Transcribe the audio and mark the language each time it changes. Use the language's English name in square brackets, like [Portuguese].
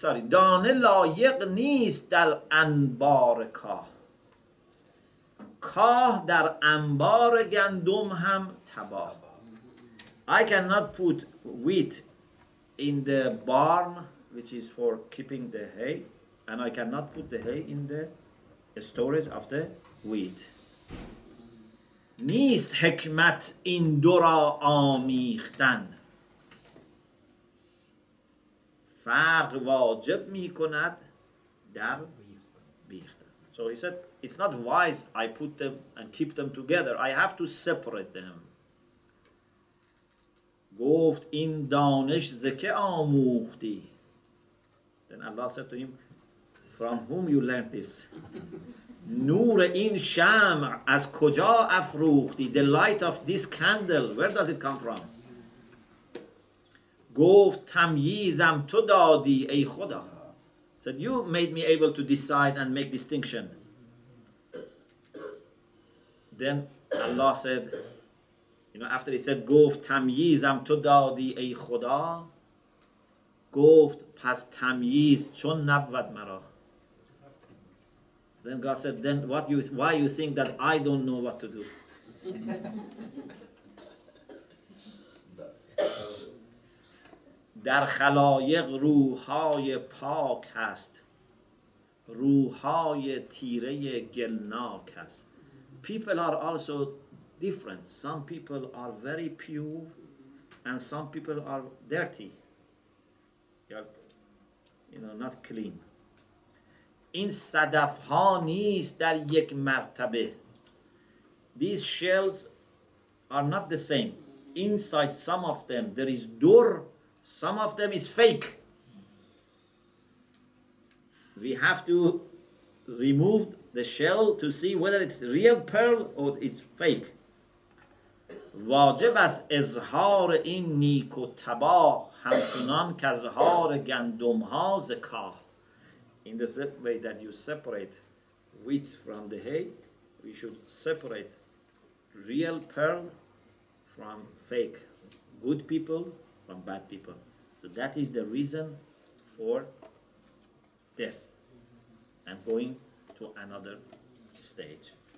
[Persian] دانه لایق نیست در انبار کاه. کاه در انبار گندم هم تباه. [English] I cannot put wheat in the barn, which is for keeping the hay, and I cannot put the hay in the storage of the wheat. [Persian] نیست حکمت این دورا آمیختن. فرق واجب می کند در بیختن. [English] So he said, it's not wise I put them and keep them together. I have to separate them. [Persian] گفت این دانش زکه آموختی. [English] Then Allah said to him, from whom you learned this? [Persian] نور این شمع از کجا افروختی? [English] The light of this candle, where does it come from? [Persian] گفت تمییزم تو دادی ای خدا. [English] Said, you made me able to decide and make distinction. Then Allah said, you know, after he said, [Persian] گفت تمییزم تو دادی ای خدا. گفت پس تمییز چون نبود مرا. [English] Then God said, then what you, why you think that I don't know what to do? [Persian] در خلایق روح‌های پاک هست، روح‌های تیره گلناک هست. [English] People are also different. Some people are very pure and some people are dirty. You know, not clean. [Persian] این صدف‌ها نیست در یک مرتبه. [English] These shells are not the same. Inside some of them there is dur. Some of them is fake. We have to remove the shell to see whether it's real pearl or it's fake. [Persian] واجب است اظهار این نیک و تباه همچنان که اظهار گندم ها زکاه. [English] In the way that you separate wheat from the hay, we should separate real pearl from fake, good people from bad people. So that is the reason for death and going to another stage.